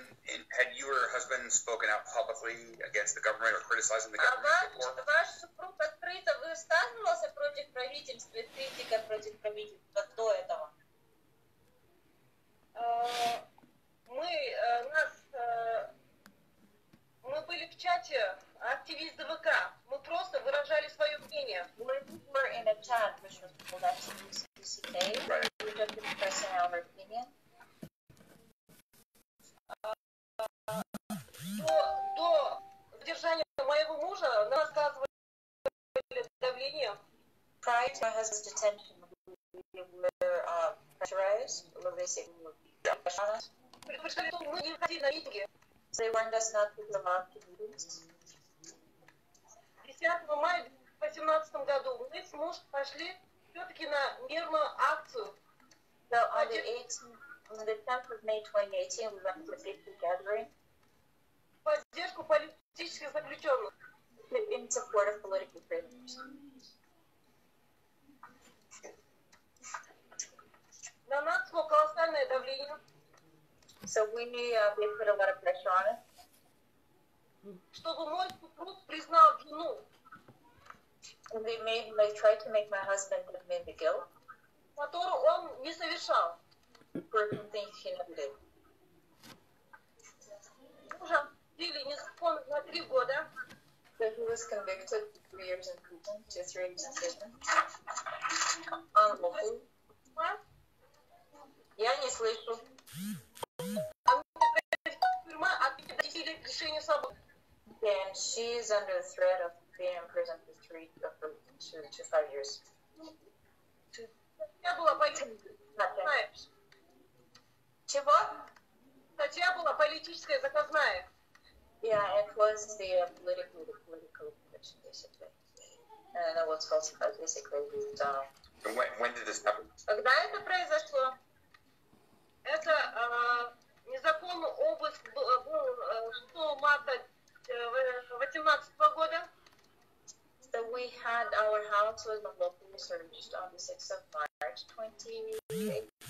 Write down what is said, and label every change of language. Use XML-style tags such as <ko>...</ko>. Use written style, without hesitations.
<en>Had your husband spoken out publicly against the government or criticizing the government before?</en> <ru>Ваш супруг открыто высказывался против правительства и критика против правительства до этого? Мы были в чате активист ДВК. Мы просто выражали свое мнение.</ru> <en>We were in a chat which was called activist DCK. Right. We were expressing our opinion.</en> <ru>До задержания моего мужа на нас оказывали давление.</ru> <en>Prior to my husband's detention, we were pressurized, or basically pressurized.</en> <ru>Мы не ходили на митинги.</ru> <en>They warned us not to come out to meetings.</en> <ru>10 мая 2018 году мы с мужем пошли все-таки на мирную акцию.</ru> <en>So on the 10th of May 2018, we went to a peaceful gathering.</en> <ru>Поддержку политических заключенных.</ru> <en>In support of political prisoners.</en> <ru>На нас было колоссальное давление.</ru> <en>So we put a lot of pressure on it.</en> <ru>Чтобы мой супруг признал вину.</ru> <en>And they tried to make my husband admit the guilt.</en> <ru>Которую он не совершал.</ru> <en>For some things he never did. Или незаконно на 3 года. So he was convicted 3 years in prison, 2-3 years in prison. Unlawful.</en> <ru>Я не слышу. А мне тюрьма объявили лишение свободы.</ru> <en>And she is under the threat of being in prison for 3 to 5 years.</en> <ru>Я была политическая. Чего? Статья была политическая заказная.</ru> <en>Yeah, it was the political commission, basically. And I know what's falsified, basically. When did this happen?</en> <ru>Когда это произошло? Это незаконный обыск был 6 марта 2018 года.</ru> <en>So we had our house was a local search on the 6th of March 2018.</en>